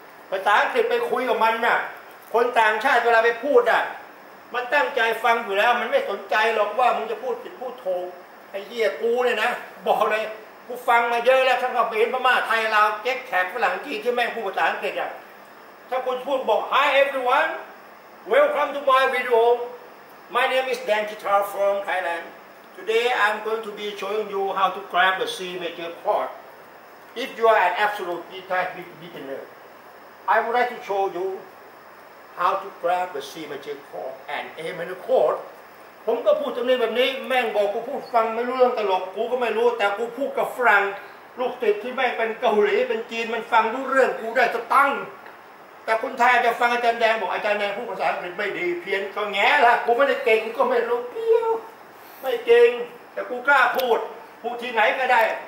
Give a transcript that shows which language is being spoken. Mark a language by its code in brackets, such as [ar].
[th] ภาษาอังกฤษไปคุยกับมันน่ะคนต่างชาติเวลาไปพูดอ่ะมันตั้งใจฟังอยู่แล้วมันไม่สนใจหรอกว่ามึงจะพูดผิดพูดโถไอ้เหี้ยกูเนี่ยนะบอกเลยกูฟังมาเยอะแล้วทั้งกับเห็นพม่าไทยลาวเก๊กแขกฝรั่งจีนที่แม่งพูดภาษาอังกฤษอ่ะถ้าคุณพูดบอก [en] Hi everyone welcome to my video My name is Dan Guitar from Thailand. Today I'm going to be showing you how to grab the C major chord. If you are an absolute beginner, I would like to show you how to grab the C major chord and A major chord. [th] ผมก็พูดจำเนียงแบบนี้แม่งบอกกูพูดฟังไม่รู้เรื่องตลกกูก็ไม่รู้แต่กูพูดกับฝรั่งลูกติดที่แม่งเป็นเกาหลีเป็นจีนมันฟังรู้เรื่องกูได้สตังแต่คนไทยจะฟังอาจารย์แดงบอกอาจารย์แดงพูดภาษาอังกฤษไม่ดีเพี้ยนก็แง่ละกูไม่ได้เก่งก็ไม่รู้เปรี้ยวไม่เก่งแต่กูกล้าพูดพูดที่ไหนก็ได้